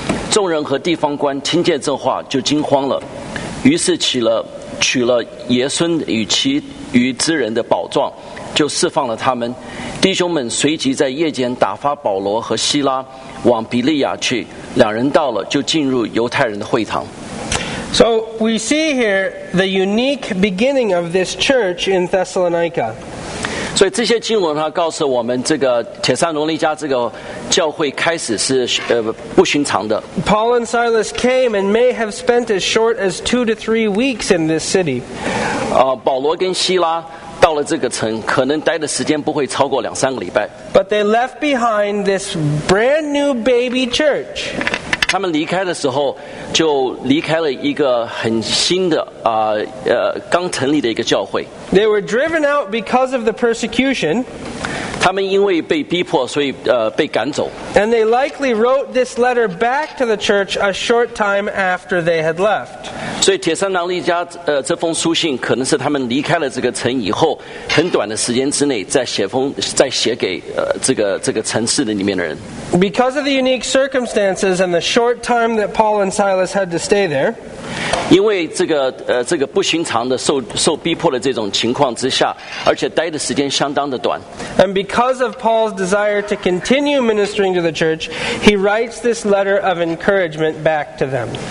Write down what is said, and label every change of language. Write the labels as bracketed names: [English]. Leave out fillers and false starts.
[Chinese] 众人和地方官听见这话就惊慌了，于是取了耶孙与其余之人的宝状，就释放了他们。弟兄们随即在夜间打发保罗和希拉往比利亚去，两人到了就进入犹太人的会堂。 [English] So we see here the unique beginning of this church in Thessalonica. [Chinese] 所以这些经文它告诉我们，这个铁撒罗尼加这个教会开始是不寻常的。 [English] Paul and Silas came and may have spent as short as 2 to 3 weeks in this city. [Chinese] 保罗跟希拉到了这个城，可能待的时间不会超过两三个礼拜。 [English] But they left behind this brand new baby church. [Chinese] 他们离开的时候，就离开了一个很新的刚成立的一个教会。 [English] They were driven out because of the persecution. [Chinese] 他们因为被逼迫，所以被赶走。 [English] And they likely wrote this letter back to the church a short time after they had left. [Chinese] 所以铁撒罗尼加这封书信，可能是他们离开了这个城以后，很短的时间之内再写给这个城市的里面的人。 [English] Because of the unique circumstances and the short time that Paul and Silas had to stay there. [Chinese] 因为这个不寻常的受逼迫的这种情况之下，而且待的时间相当的短。 [English] And because of Paul's desire to continue ministering to the church, he writes this letter of encouragement back to them.